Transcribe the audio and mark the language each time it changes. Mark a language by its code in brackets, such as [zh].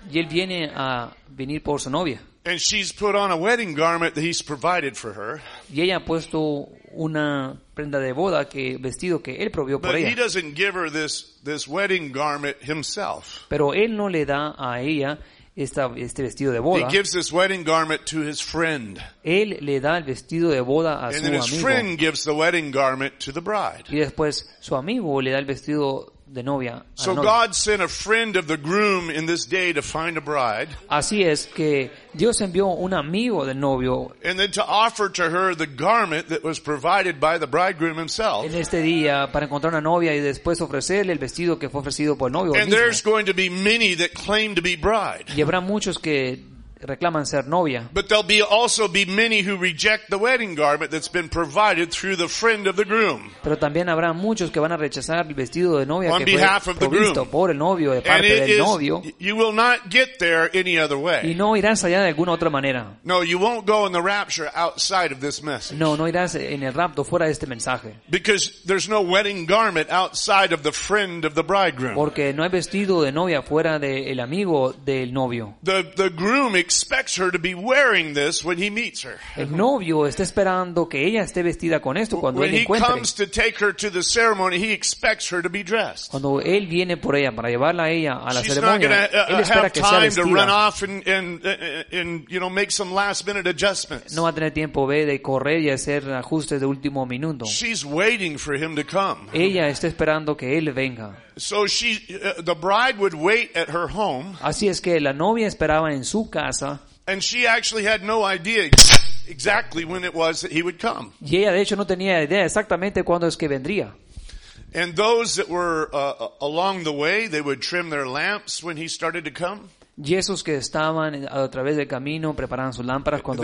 [es] Y él viene a venir por su novia. [en] And she's put on a wedding garment that he's provided for her. [es] Y ella ha puesto una prenda de boda, que vestido que él provió por ella. [en] But he doesn't give her this wedding garment himself. [es] Pero él no le da a ella este vestido de boda. [en] He gives this wedding garment to his friend. [es] Él le da el vestido de boda a su amigo. [en] And his friend gives the wedding garment to the bride. [es] Y después su amigo le da el vestido de novia. [en] So God sent a friend of the groom in this day to find a bride. [es] Así es que Dios envió un amigo del novio. [en] And then to offer to her the garment that was provided by the bridegroom himself. [es] En este día para encontrar una novia y después ofrecerle el vestido que fue ofrecido por el novio. [en] And there's going to be many that claim to be bride. [es] Y habrá muchos que reclaman ser novia. [en] But there'll be also be many who reject the wedding garment that's been provided through the friend of the groom. [es] Pero también habrá muchos que van a rechazar el vestido de novia on que fue provisto por el novio de parte del novio. [en] You will not get there any other way. [es] Y no irás allá de alguna otra manera. [en] No, you won't go in the rapture outside of this message. [es] No irás en el rapto fuera de este mensaje. [en] Because there's no wedding garment outside of the friend of the bridegroom. [es] Porque no hay vestido de novia fuera del amigo del novio. [en] The groom expects her to be wearing this when he meets her. [es] El novio está esperando que ella esté vestida con esto cuando él encuentre. [en] When he comes to take her to the ceremony, he expects her to be dressed. [es] Cuando él viene por ella para llevarla a ella a la ceremonia, él espera que sea vestida. [en] She's not going to have time to run off and you know make some last minute adjustments. [es] No va a tener tiempo de correr y hacer ajustes de último minuto. [en] She's waiting for him to come. [es] Ella está esperando que él venga. [en] So she, the bride would wait at her home. [es] Así es que la novia esperaba en su casa. [en] And she actually had no idea exactly when it was that he would come. [es] Y ella, de hecho, no tenía idea exactamente cuándo es que vendría. [en] And those that were along the way, they would trim their lamps when he started to come. [es] Y esos que estaban a través del camino preparaban sus lámparas cuando